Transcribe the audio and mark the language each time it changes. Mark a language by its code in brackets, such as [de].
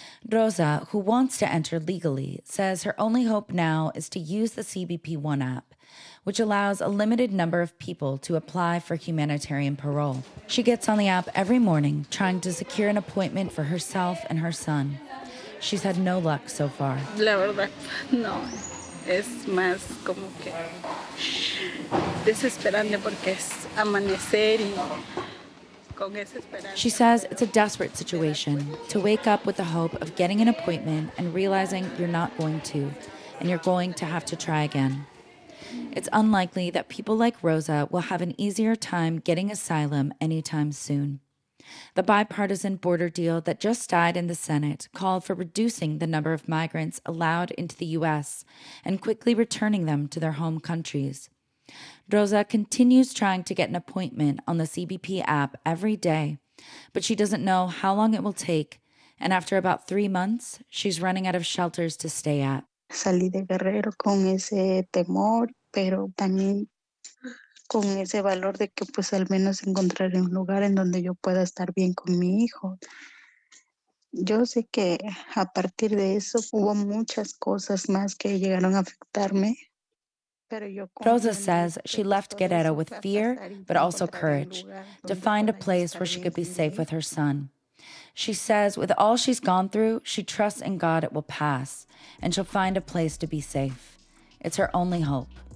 [en] Rosa, who wants to enter legally, says her only hope now is to use the CBP One app, which allows a limited number of people to apply for humanitarian parole. She gets on the app every morning, trying to secure an appointment for herself and her son. She's had no luck so far. [es] La verdad, no. Es más como que desesperante porque es amanecer y... [en] She says it's a desperate situation to wake up with the hope of getting an appointment and realizing you're not going to, and you're going to have to try again. It's unlikely that people like Rosa will have an easier time getting asylum anytime soon. The bipartisan border deal that just died in the Senate called for reducing the number of migrants allowed into the U.S. and quickly returning them to their home countries. Rosa continues trying to get an appointment on the CBP app every day, but she doesn't know how long it will take, and after about 3 months, she's running out of shelters to stay at. [es] Salí de Guerrero con ese temor, pero también con ese valor de que pues al menos encontraré un lugar en donde yo pueda estar bien con mi hijo. Yo sé que a partir de eso hubo muchas cosas más que llegaron a afectarme. [en] Rosa says she left Guerrero with fear, but also courage, to find a place where she could be safe with her son. She says with all she's gone through, she trusts in God it will pass, and she'll find a place to be safe. It's her only hope.